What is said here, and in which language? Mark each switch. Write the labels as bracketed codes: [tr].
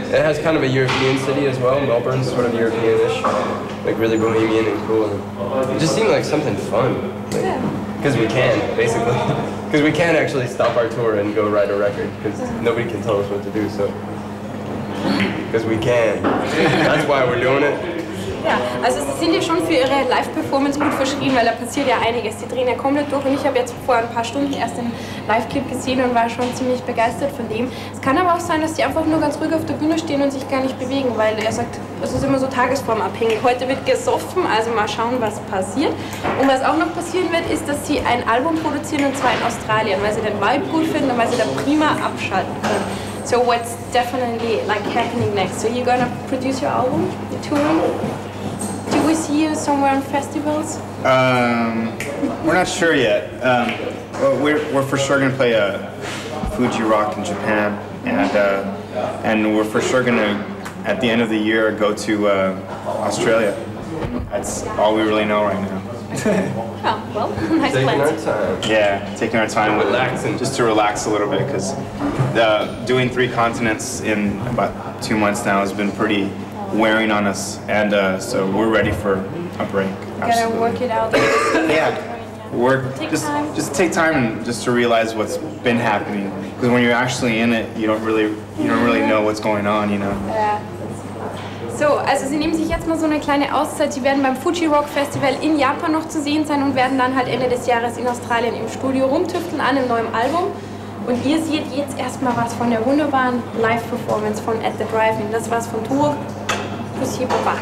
[en] It has kind of a European city as well. Melbourne's sort of European-ish, like really bohemian and cool. And it just seemed like something fun, because like, we can, basically. Because we can't actually stop our tour and go write a record, because nobody can tell us what to do, so. Because we can. That's why we're doing it. [de] Ja, also Sie sind ja schon für Ihre Live-Performance gut verschrieben, weil da passiert ja einiges. Sie drehen ja komplett durch, und ich habe jetzt vor ein paar Stunden erst den Live-Clip gesehen und war schon ziemlich begeistert von dem. Es kann aber auch sein, dass Sie einfach nur ganz ruhig auf der Bühne stehen und sich gar nicht bewegen, weil er sagt, es ist immer so tagesformabhängig. Heute wird gesoffen, also mal schauen, was passiert. Und was auch noch passieren wird, ist, dass Sie ein Album produzieren, und zwar in Australien, weil Sie den Vibe gut finden und weil Sie da prima abschalten können. [en] So what's definitely like happening next? So you're gonna produce your album, the touring? Do we see you somewhere on festivals? We're not sure yet. We're for sure gonna play a Viva Zwei 2Rock in Japan, and we're for sure gonna at the end of the year go to Australia. That's all we really know right now. Oh, well, nice plan. Yeah, taking our time with relaxing, just to relax a little bit, because doing three continents in about 2 months now has been pretty wearing on us, and so we're ready for a break. Gotta work it out. Yeah, work. Just take time and just to realize what's been happening, because when you're actually in it, you don't really know what's going on, you know. Yeah. [de] So, also Sie nehmen sich jetzt mal so eine kleine Auszeit. Sie werden beim Fuji Rock Festival in Japan noch zu sehen sein und werden dann halt Ende des Jahres in Australien im Studio rumtüfteln an einem neuen Album. Und ihr seht jetzt erstmal was von der wunderbaren Live-Performance von At The Drive-In. Das war's von Tour. Tschüss, hier, Baba.